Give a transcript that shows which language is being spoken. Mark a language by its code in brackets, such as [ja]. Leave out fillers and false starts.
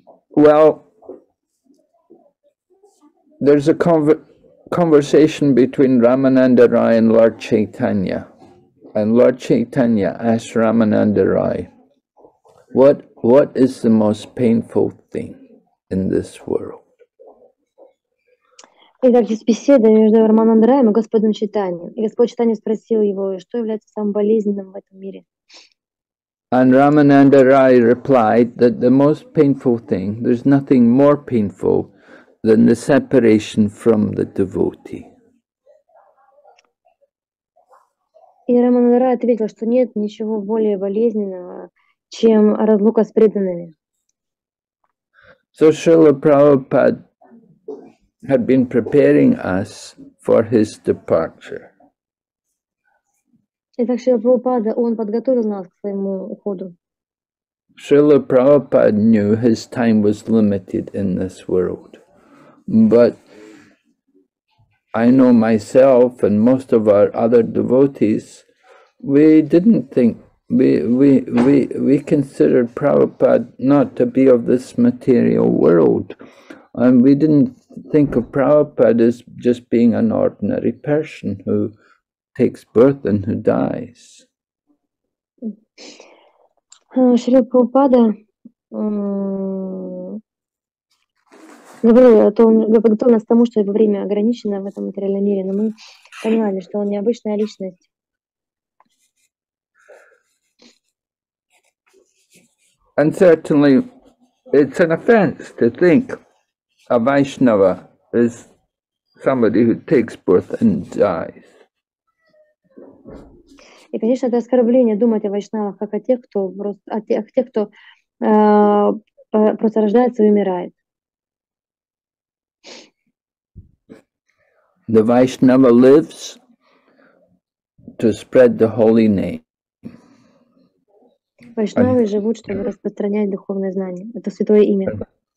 [en] Well, there's a conversation between Ramananda Rai and Lord Chaitanya. And Lord Chaitanya asked Ramananda Rai, what is the most painful thing in this world? [ru] Итак, есть беседа между Рамананда Раем и Господом Чайтанья. И Господь Чайтанья спросил его, что является самым болезненным в этом мире. [en] And Ramananda Rai replied that the most painful thing, there's nothing more painful than the separation from the devotee. [ru] И Рамананда Рай ответил, что нет ничего более болезненного, чем разлука с преданными. [en] So Srila Prabhupada had been preparing us for his departure. [ru] Итак, Шрила Прабхупада, он подготовил нас к своему уходу. [en] Шрила Прабхупада knew his time was limited in this world. But I know myself and most of our other devotees, we didn't think, we considered Prabhupada not to be of this material world. And we didn't think of Prabhupada as just being an ordinary person who takes birth and who dies. [ru] Шрила Прабхупада говорил о том, подготовил нас к тому, что его время ограничено в этом материальном мире, но мы понимали, что он необычная личность. [en] And certainly it's an offense to think a Vaishnava is somebody who takes birth and dies. [ru] И, конечно, это оскорбление думать о вайшнавах как о тех, кто просто, о тех, кто просто рождается и умирает. [en] The Vaishnava lives to spread the holy name. [ru] Вайшнавы живут, чтобы распространять духовное знание, это святое имя.